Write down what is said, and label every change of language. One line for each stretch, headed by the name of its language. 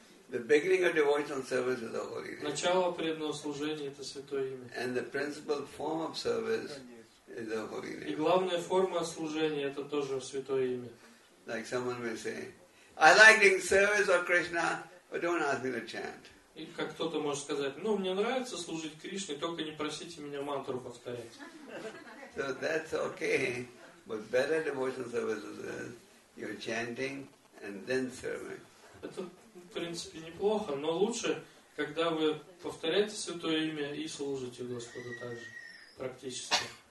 English: The beginning of devotional service is the holy name.
Russian: Начало преданного служения это святое имя.
English: And the principal form of service is the holy name.
Russian: И главная форма служения это тоже святое имя.
English: Like someone may say, I like doing service of Krishna. But don't ask me to chant.
Russian: И как кто-то может сказать, ну мне нравится служить Кришне, только не просите меня мантру повторять.
English: So that's okay, but better devotional service is you're chanting and then serving.
Russian: Это в принципе неплохо, но лучше, когда вы повторяете святое имя и служите Господу также, практически.